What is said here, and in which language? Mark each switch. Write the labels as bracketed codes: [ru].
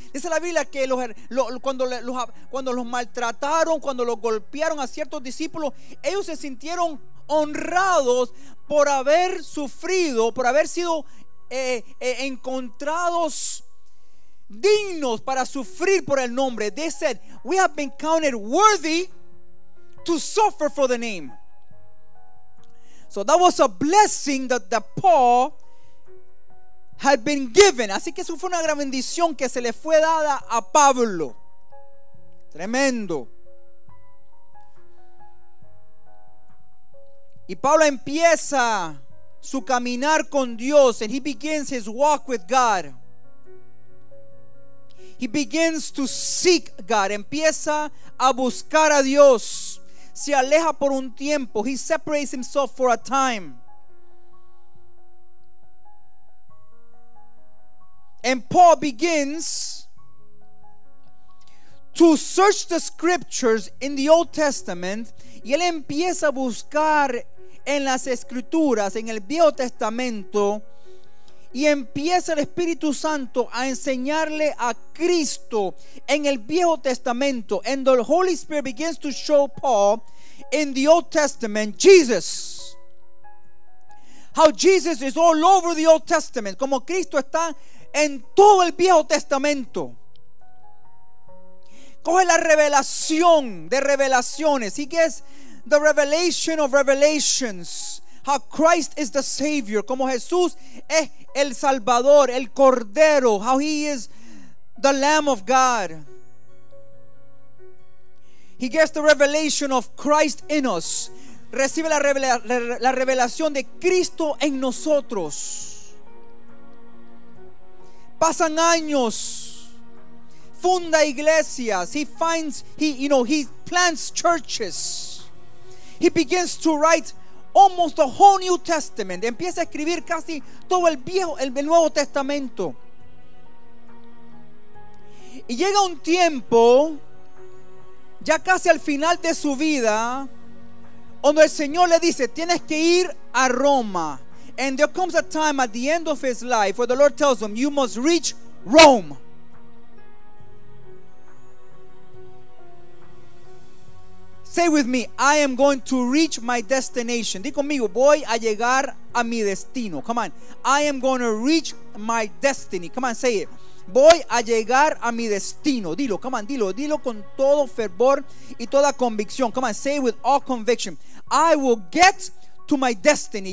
[es] Dice la Biblia que cuando los maltrataron, cuando los golpearon a ciertos discípulos, ellos se sintieron honrados por haber sufrido, por haber sido encontrados dignos para sufrir por el nombre. [en] They said, we have been counted worthy to suffer for the name. So that was a blessing that Paul had been given. [es] Así que eso fue una gran bendición que se le fue dada a Pablo. Tremendo. Y Pablo empieza su caminar con Dios, [en] and he begins his walk with God. He begins to seek God. [es] Empieza a buscar a Dios. Se aleja por un tiempo. [en] He separates himself for a time. And Paul begins to search the scriptures in the Old Testament. [es] Y él empieza a buscar en las escrituras, en el Viejo Testamento. Y empieza el Espíritu Santo a enseñarle a Cristo en el Viejo Testamento. [en] And the Holy Spirit begins to show Paul in the Old Testament Jesus. How Jesus is all over the Old Testament. [es] Como Cristo está en todo el Viejo Testamento. Coge la revelación de revelaciones. [en] He gets the revelation of revelations. How Christ is the Savior. [es] Como Jesús es el Salvador, el Cordero. [en] How he is the Lamb of God. He gets the revelation of Christ in us. [es] Recibe la revelación de Cristo en nosotros. Pasan años. Funda iglesias. [en] He finds, he plants churches. He begins to write almost the whole New Testament. [es] Empieza a escribir casi todo el Nuevo Testamento. Y llega un tiempo, ya casi al final de su vida, donde el Señor le dice, tienes que ir a Roma. [en] And there comes a time at the end of his life where the Lord tells him, you must reach Rome. Say with me, I am going to reach my destination. [es] Di conmigo, voy a llegar a mi destino. [en] Come on, I am going to reach my destiny. Come on, say it. [es] Voy a llegar a mi destino. Dilo, [en] come on, [es] dilo. Dilo con todo fervor y toda convicción. [en] Come on, say it with all conviction. I will get to my destiny.